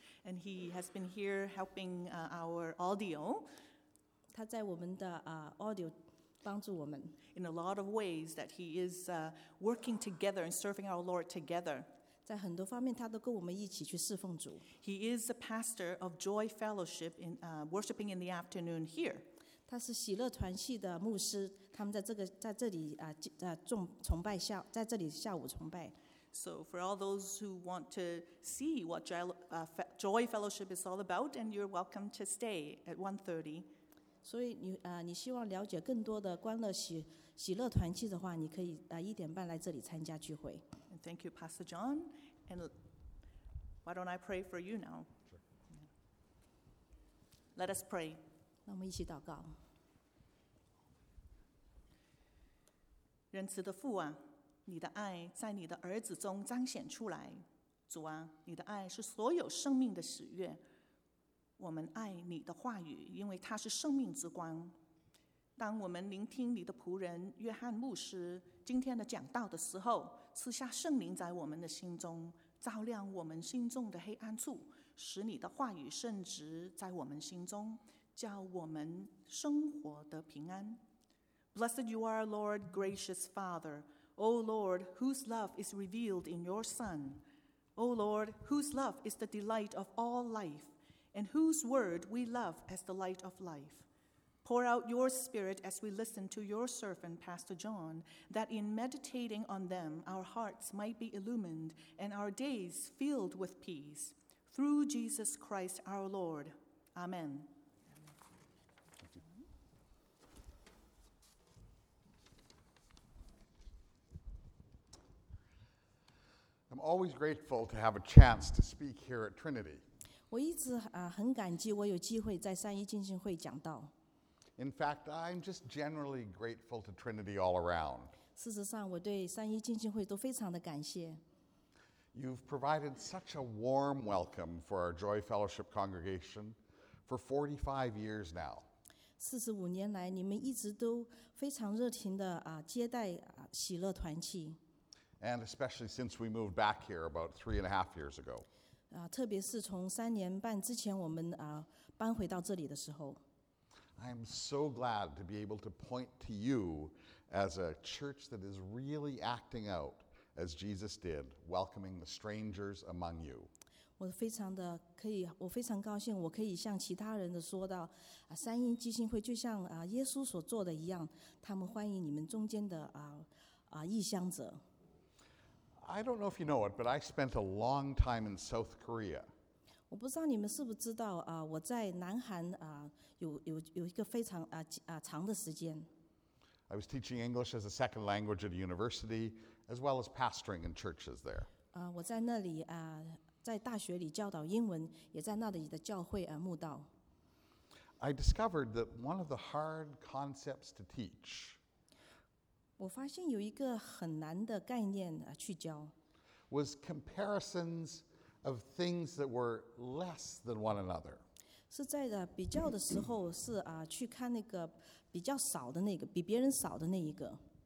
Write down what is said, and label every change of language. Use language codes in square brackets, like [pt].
[en] And he has been here helping our audio. [zh] 他在我们的audio 帮助我们。 [en] In a lot of ways that he is working together and serving our Lord together. [zh] 在很多方面他都跟我们一起去侍奉主。 [en] He is the pastor of Joy Fellowship in worshiping in the afternoon here. [zh] 他是喜乐团契的牧师，他们在这里崇拜下，在这里下午崇拜。 [en] So for all those who want to see what Joy Fellowship is all about, and you're welcome to stay at 1:30. [zh] 所以你希望了解更多的欢乐喜乐团契的话，你可以1:30来这里参加聚会。 [en] Thank you, Pastor John. And why don't I pray for you now? Sure. Let us pray. [zh] 让我们一起祷告。仁慈的父啊，你的爱在你的儿子中彰显出来。主啊，你的爱是所有生命的喜悦。我们爱你的话语，因为它是生命之光。当我们聆听你的仆人约翰牧师今天的讲道的时候，赐下圣灵在我们的心中，照亮我们心中的黑暗处，使你的话语圣职在我们心中，叫我们生活得平安。 [en] Blessed you are, Lord, gracious Father. O Lord, whose love is revealed in your Son. O Lord, whose love is the delight of all life, and whose word we love as the light of life. Pour out your spirit as we listen to your servant, Pastor John, that in meditating on them, our hearts might be illumined and our days filled with peace. Through Jesus Christ, our Lord. Amen. I'm always grateful to have a chance to speak here at Trinity. [zh] 我一直很感激我有机会在三一进行会讲道。 [en] In fact, I'm just generally grateful to Trinity all around. [zh] 事实上，我对三一浸信会都非常的感谢。 [en] You've provided such a warm welcome for our Joy Fellowship congregation for 45 years now. [zh] 45年来，你们一直都非常热情的接待喜乐团契。 [en] And especially since we moved back here about 3.5 years ago. [zh] 特别是从三年半之前我们搬回到这里的时候。 [en] I'm so glad to be able to point to you as a church that is really acting out as Jesus did, welcoming the strangers among you. [zh] 我非常高兴我可以向其他人的说到三一浸信会就像耶稣所做的一样，他们欢迎你们中间的异乡者。 [en] I don't know if you know it, but I spent a long time in South Korea. [zh] 我不知道你们是不是知道我在南韩有一个非常长的时间。 [en] I was teaching English as a second language at a university, as well as pastoring in churches there. [zh] 我在那里在大学里教导英文，也在那里的教会慕道。 [en] I discovered that one of the hard concepts to teach [zh] 我发现有一个很难的概念去教。 [en] Was comparisons of things that were less than one another. [zh] 是在的比较的时候是去看那个比较少的那个比别人少的那一个。